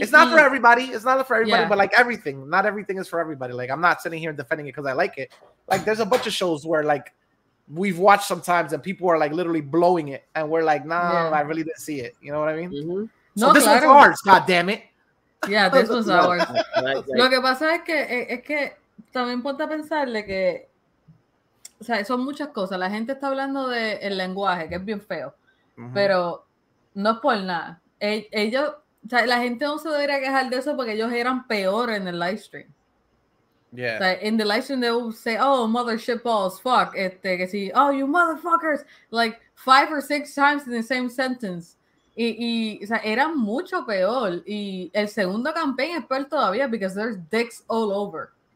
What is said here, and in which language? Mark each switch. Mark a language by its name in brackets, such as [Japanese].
[English] It's not for everybody. It's not for everybody, but, like, everything. Not everything is for everybody. Like, I'm not sitting here defending it because I like it. Like, there's a bunch of shows where, like, we've watched sometimes and people are, like, literally blowing it. And we're like, nah, I really didn't see it. You know what I mean? Mm-hmm. So no, this one's ours, God damn it. Yeah, this was ours. [Spanish] Lo que pasa es que también ponte a pensarle que, o sea, son muchas cosas. La gente está hablando del lenguaje, que es bien feo. Uh-huh. Pero no es por nada. Ellos, o sea, la gente no se debería quejar de eso porque ellos eran peor en el live stream. [English] Yeah. Like, in the live stream, they will say, oh, mothership balls, fuck. [Spanish] Este, que si, [English] oh, you motherfuckers. Like, 5 or 6 times in the same sentence. [Spanish] Y o sea, era mucho peor. Y el segundo campaign es peor todavía [English] because there's dicks all over.